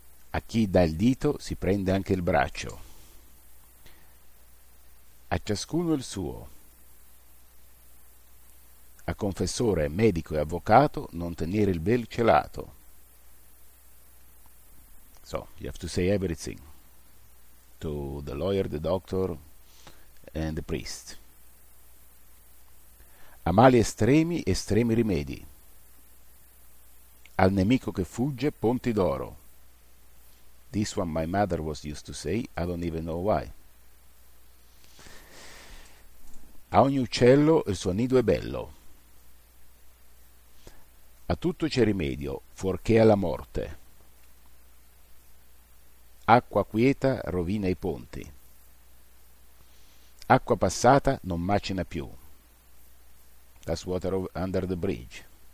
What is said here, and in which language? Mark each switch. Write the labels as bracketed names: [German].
[Italian] A chi dà il dito si prende anche il braccio. A ciascuno il suo. A confessore, medico e avvocato non tenere il bel celato. [English] So, you have to say everything to the lawyer, the doctor and the priest. [Italian] A mali estremi, estremi rimedi. Al nemico che fugge, ponti d'oro. [English] This one my mother was used to say, I don't even know why. [Italian] A ogni uccello il suo nido è bello. A tutto c'è rimedio, fuorché alla morte. Acqua quieta rovina i ponti. Acqua passata non macina più. [English] That's water under the bridge.